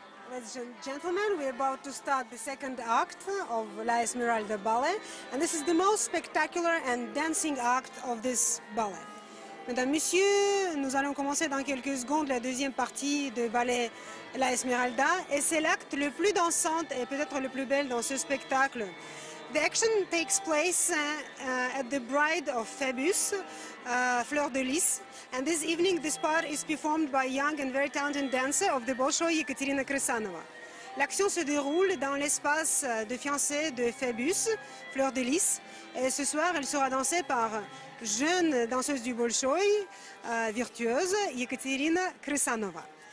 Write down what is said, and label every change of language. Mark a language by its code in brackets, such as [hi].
[en] ladies and gentlemen, we're about to start the second act of La Esmeralda Ballet, and this is the most spectacular and dancing act of this ballet. [fr] Mesdames, Messieurs, nous allons commencer dans quelques secondes la deuxième partie de ballet La Esmeralda, et c'est l'acte le plus dansant et peut-être le plus bel dans ce spectacle. [en] The action takes place at the Bride of Phoebus, Fleur de Lys. And this evening, this part is performed by young and very talented dancer of the Bolshoi, Ekaterina Krasanova. [fr] L'action se déroule dans l'espace de fiancée de Phoebus, Fleur de Lys. Et ce soir, elle sera dansée par jeune danseuse du Bolshoi, virtuose, Ekaterina Krasanova.